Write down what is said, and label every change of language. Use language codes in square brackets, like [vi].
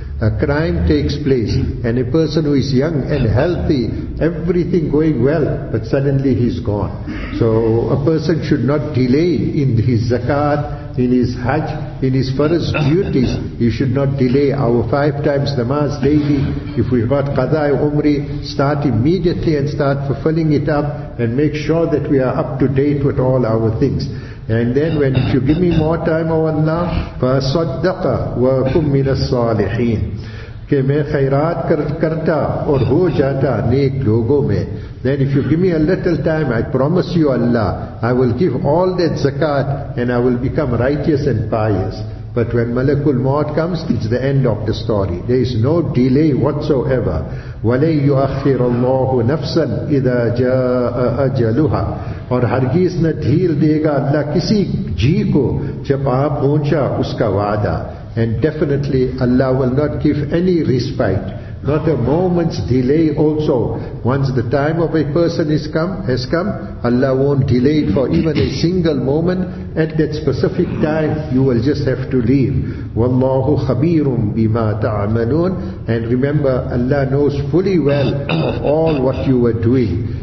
[en] A crime takes place, and a person who is young and healthy, everything going well, but suddenly he's gone. So a person should not delay in his zakat in his hajj, in his farz duties, he should not delay our five times namaz daily. If we've got qada umri, start immediately and start fulfilling it up and make sure that we are up to date with all our things. And then when if you give me more time, O Allah, [ar] فَصَدَّقَ وَكُمْ مِنَ الصَّالِحِينَ [ur] کہ میں خیرات کرتا اور ہو جاتا نیک لوگوں میں. [en] Then if you give me a little time, I promise you Allah, I will give all that zakat and I will become righteous and pious. But when Malakul Maut comes, it's the end of the story. There is no delay whatsoever. [ar] وَلَيْ يُؤَخِّرَ اللَّهُ نَفْسًا إِذَا جَاءَ أَجَلُهَا [ur] اور ہرگیز نہ دھیل دے گا اللہ کسی جی کو جب آ پہنچا اس کا وعدہ. [en] And definitely Allah will not give any respite, not a moment's delay also. Once the time of a person has come, Allah won't delay it for even a single moment. At that specific time, you will just have to leave. [ar] وَاللَّهُ خَبِيرٌ بِمَا تَعْمَلُونَ [en] And remember, Allah knows fully well of all what you were doing.